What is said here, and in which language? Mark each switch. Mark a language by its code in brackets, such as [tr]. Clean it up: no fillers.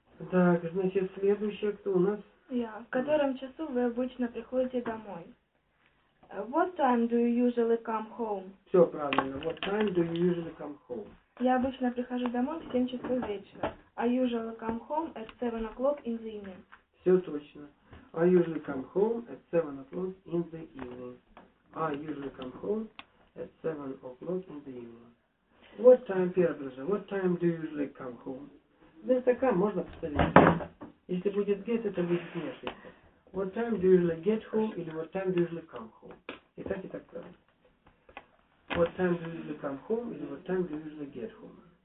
[ru] Так, значит, следующее кто у нас? Я. В котором часу вы обычно приходите домой? [en] What time do you usually come home? [ru] Все правильно. [en] What time do you usually come home? [ru] Я обычно прихожу домой в 7 часов вечера. [en] I usually come home at 7 o'clock in the evening. [ru] Все точно. [en] I usually come home at 7 o'clock in the evening. I usually come home at 7 o'clock in the evening. What time, Петрович, what time do you usually come home? [ru] Без такая можно поставить. Если будет get, это будет не ошибка. [en] What time do you usually get home или what time do you usually come home? [ru] И так, и так правильно. [en] What time do you usually come home или what time do you usually get home?